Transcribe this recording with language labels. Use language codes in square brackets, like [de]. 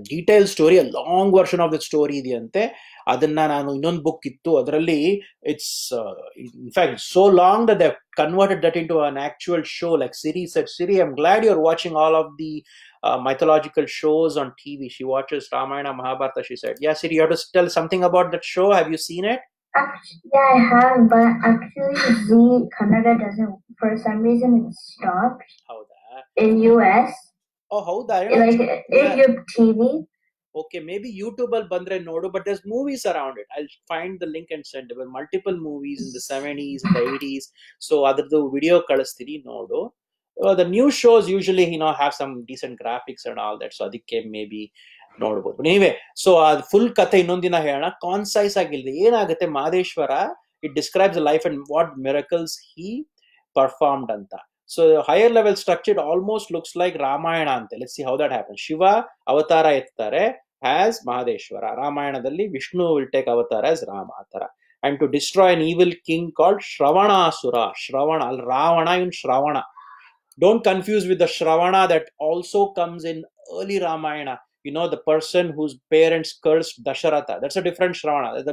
[en] Detail story, long version of the story ಇದೆಯಂತೆ. [kn] ಅದನ್ನ ನಾನು ಇನ್ನೊಂದು ಬುಕ್ ಇತ್ತು ಅದರಲ್ಲಿ [en] It's in fact so long that they converted that into an actual show like series. At Siri, I am glad you are watching all of the mythological shows on T V. She watches Ramayana Mahabharata. She said, yeah Siri, you have to tell something about that show, have you seen it? Yeah, I have, but actually Zee Kannada doesn't, for some reason it stopped. How that? In US. Oh, how that? Like, in your TV. Okay, maybe YouTube [kn] al bandre nodu, [en] but there's movies around it. I'll find the link and send it. Multiple movies in the 70s, the 80s. So, [kn] adaradu video kalasthiri nodu. [en] The new shows usually, you know, have some decent graphics and all that. So, [kn] adikke [en] maybe... [kn] ನೋಡ್ಬೋದು. ನೀವೇ so ಅದು full ಕತೆ ಇನ್ನೊಂದಿನ ಹೇಳೋಣ. ಕಾನ್ಸೈಸ್ ಆಗಿಲ್ಲದೆ ಏನಾಗುತ್ತೆ, [en] Madeshwara it describes life and what miracles he performed ಅಂತ. So higher level structure almost looks like Ramayana ಅಂತ. Let's see how that happen. [kn] Shiva ಅವತಾರ ಎತ್ತಾರೆ as Madeshwara. ರಾಮಾಯಣದಲ್ಲಿ ವಿಷ್ಣು [en] will take [kn] ಅವತಾರ ಆಸ್ ರಾಮ ಆ ಥರ. [en] And to destroy an evil king called Shravanasura. [kn] ಶ್ರವಣ ಅಲ್ಲಿ ರಾವಣ, [en] In Shravana. Don't confuse with the Shravana that also comes in early Ramayana. You know, the person whose parents cursed Dasharatha. That's a different Shravana.